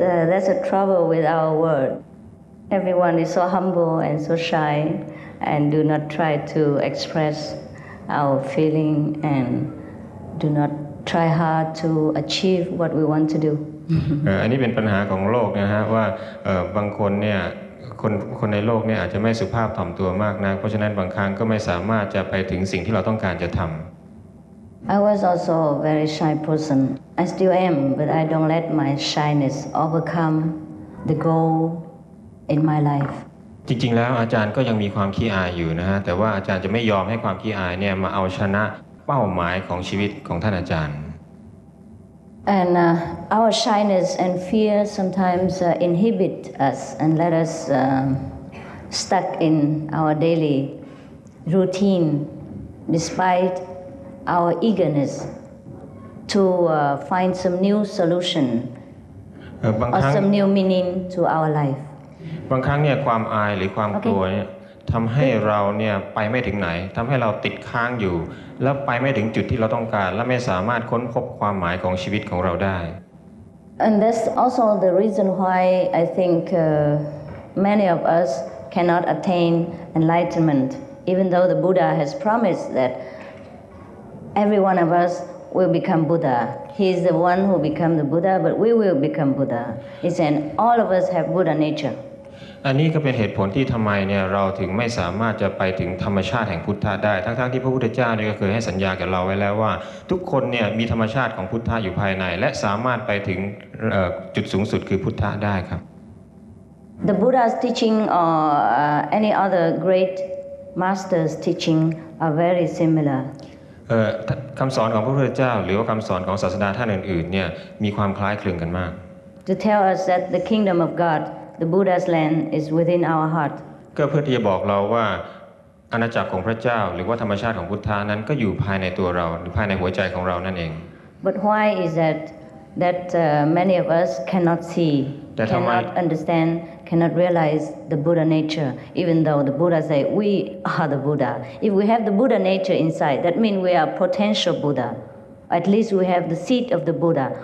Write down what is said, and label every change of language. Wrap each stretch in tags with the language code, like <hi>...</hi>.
<en>That's a trouble with our world Everyone is so humble and so shy and do not try to express our feeling andDo not try hard to achieve what we want to do.</en> <th>อันนี้เป็นปัญหาของโลกนะฮะว่าบางคนเนี่ยคนในโลกเนี่ยอาจจะไม่สุภาพถ่อมตัวมากนะเพราะฉะนั้นบางครั้งก็ไม่สามารถจะไปถึงสิ่งที่เราต้องการจะทำ</th> <en>I was also a very shy person. I still am, but I don't let my shyness overcome the goal in my life.</en> <th>จริงๆแล้วอาจารย์ก็ยังมีความขี้อายอยู่นะฮะแต่ว่าอาจารย์จะไม่ยอมให้ความขี้อายเนี่ยมาเอาชนะเป้าหมายของชีวิตของท่านอาจารย์</th> <en>And our shyness and fear sometimes inhibit us and let us stuck in our daily routine despite our eagerness to find some new solution or some new meaning to our life</en> <th>บางครั้งเนี่ยความอายหรือความกลัวเนี่ยทำให้เราเนี่ยไปไม่ถึงไหนทำให้เราติดค้างอยู่แล้วไปไม่ถึงจุดที่เราต้องการและไม่สามารถค้นพบความหมายของชีวิตของเราได้</th> <en>And that's also the reason why I think many of us cannot attain enlightenment even though the Buddha has promised that every one of us will become Buddha he's the one who become the Buddha but we will become Buddha he's saying all of us have Buddha nature</en> <th>อันนี้ก็เป็นเหตุผลที่ทำไมเนี่ยเราถึงไม่สามารถจะไปถึงธรรมชาติแห่งพุทธะได้ทั้งๆที่พระพุทธเจ้าเนี่ยก็เคยให้สัญญากับเราไว้แล้วว่าทุกคนเนี่ยมีธรรมชาติของพุทธะอยู่ภายในและสามารถไปถึงจุดสูงสุดคือพุทธะได้ครับ</th> <en>The Buddha's teaching or any other great master's teaching are very similar</en> <th>คำสอนของพระพุทธเจ้าหรือว่าคำสอนของศาสดาท่านอื่นๆเนี่ยมีความคล้ายคลึงกันมาก</th> <en>To tell us that the kingdom of GodThe Buddha's land is within our heart.</en> <th>ก็เพื่อที่จะบอกเราว่าอาณาจักรของพระเจ้าหรือว่าธรรมชาติของพุทธานั้นก็อยู่ภายในตัวเราหรือภายในหัวใจของเรานั่นเอง</th> <en>But why is that many of us cannot see, cannot understand, cannot realize the Buddha nature? Even though the Buddha say we are the Buddha. If we have the Buddha nature inside, that means we are potential Buddha. At least we have the seed of the Buddha.</en>